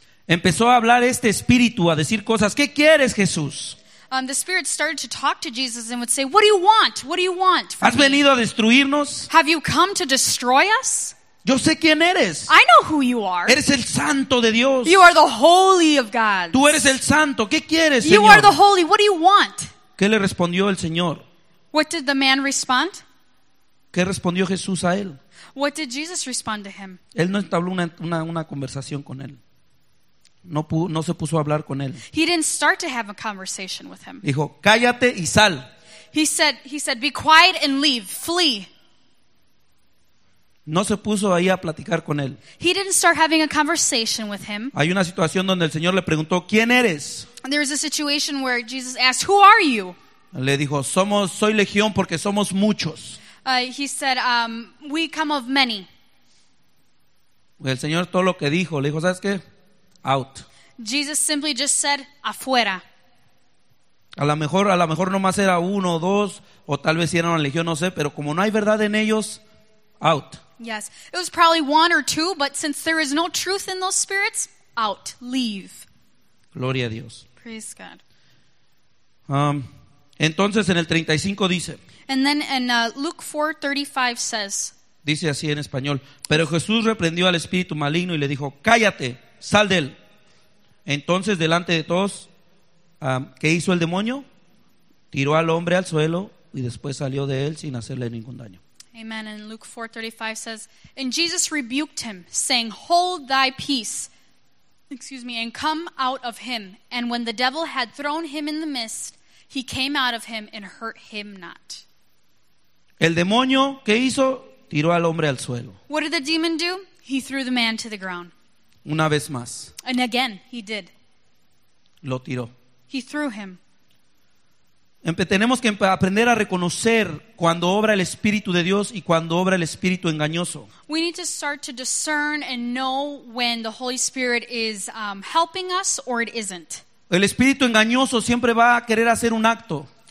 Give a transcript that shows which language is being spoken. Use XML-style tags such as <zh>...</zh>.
<es>Empezó a hablar este espíritu, a decir cosas. ¿Qué quieres, Jesús?</es> <en>The spirit started to talk to Jesus and would say, "What do you want? What do you want?</en> <es>¿Has venido a destruirnos?</es> <en>Have you come to destroy us?</en> <es>Yo sé quién eres.</es> <en>I know who you are.</en> <es>Eres el santo de Dios.</es> <en>You are the holy of God.</en> <es>Tú eres el santo. ¿Qué quieres,</es> <en>you</en> <es>Señor?</es> <en>You are the holy. What do you want?</en> <es>¿Qué le respondió el Señor?</es> <en>What did the man respond?</en> <es>¿Qué respondió Jesús a él?</es> <en>What did Jesus respond to him?</en> <es>Él no entabló una conversación con él. No se puso a hablar con él.</es> <en>He didn't start to have a conversation with him.</en> <es>Dijo, cállate y sal.</es> <en>He said, be quiet and leave, flee.</en> <es>No se puso ahí a platicar con él.</es> <en>He didn't start having a conversation with him.</en> <es>Hay una situación donde el Señor le preguntó, ¿quién eres?</es> <en>There was a situation where Jesus asked, who are you?</en> <es>Le dijo, soy legión porque somos muchos.</es> <en>He said, we come of many.</en> <es>El Señor todo lo que dijo, le dijo, ¿sabes qué?</es> <en>Out. Jesus simply just said,</en> <es>afuera. A lo mejor nomás era uno o dos, o tal vez si era una legión, no sé, pero como no hay verdad en ellos, out.</es> <en>Yes, it was probably one or two, but since there is no truth in those spirits, out, leave.</en> <es>Gloria a Dios.</es> <en>Praise God.</en> <es>Entonces en el 35 dice.</es> <en>And then in Luke 4:35 says.</en> <es>Dice así en español. Pero Jesús reprendió al espíritu maligno y le dijo, cállate. Sal de él. Entonces, delante de todos, ¿qué hizo el demonio? Tiró al hombre al suelo y después salió de él sin hacerle ningún daño. Amen.</es> <en>And Luke 4:35 says, and Jesus rebuked him, saying, hold thy peace, and come out of him. And when the devil had thrown him in the midst, he came out of him and hurt him not.</en> <es>El demonio, ¿qué hizo? Tiró al hombre al suelo.</es> <en>What did the demon do? He threw the man to the ground.</en> <es>Una vez más.</es> <en>And again, he did.</en> <es>Lo tiró.</es> <en>He threw him.</en> <es>Tenemos que aprender a reconocer cuando obra el Espíritu de Dios y cuando obra el Espíritu engañoso.</es> <en>We need to start to discern and know when the Holy Spirit is helping us or it isn't.</en> <es>El Espíritu engañoso siempre va a querer hacer un acto.</es>